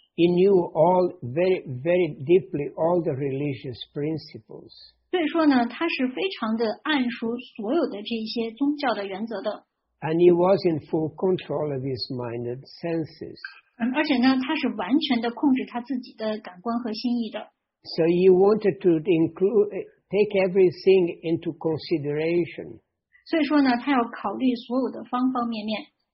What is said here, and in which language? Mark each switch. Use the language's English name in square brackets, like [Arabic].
[English] He knew all very, very deeply all the religious principles. [Chinese] 所以说呢，他是非常的谙熟所有的这些宗教的原则的。 [English] And he was in full control of his mind and senses. [Chinese] 而且呢，他是完全的控制他自己的感官和心意的。 [English] So he wanted to include take everything into consideration. [Chinese] 所以说呢，他要考虑所有的方方面面。